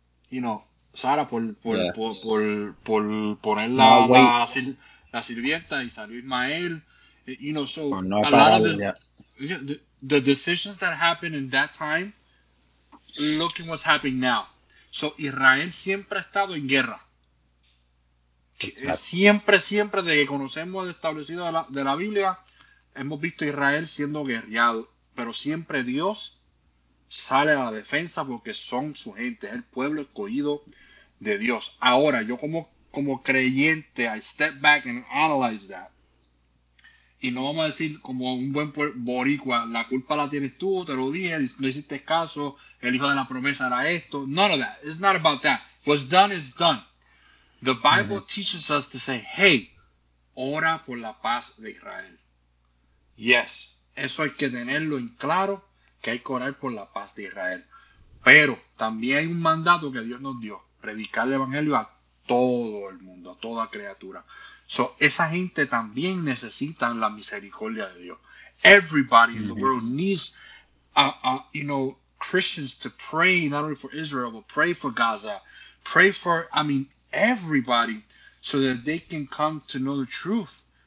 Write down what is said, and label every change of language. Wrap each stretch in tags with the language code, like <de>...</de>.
<en>You know,</en> <es>Sara por poner la sirvienta y salió Ismael.</es> <en>You know, so a lot of the decisions that happened in that time, look at what's happening now.</en> <es>So Israel siempre ha estado en guerra. Siempre, desde que conocemos el establecido de la Biblia, hemos visto a Israel siendo guerreado. Pero siempre Dios sale a la defensa porque son su gente, el pueblo escogido de Dios. Ahora, yo como creyente,</es> <en>I step back and analyze that.</en> <es>Y no vamos a decir como un buen boricua, la culpa la tienes tú, te lo dije, no hiciste caso, el hijo de la promesa era esto.</es> <en>None of that. It's not about that. What's done is done. The Bible teaches us to say, hey,</en> <es>ora por la paz de Israel. Yes, eso hay que tenerlo en claro, que hay que orar por la paz de Israel. Pero también hay un mandato que Dios nos dio, predicar el evangelio a todo el mundo, a toda criatura. So, esa gente también necesita la misericordia de Dios.</es> <en>Everybody in the world needs, you know, Christians to pray, not only for Israel, but pray for Gaza. Pray for, I mean, everybody, so that they can come to know the truth.</en>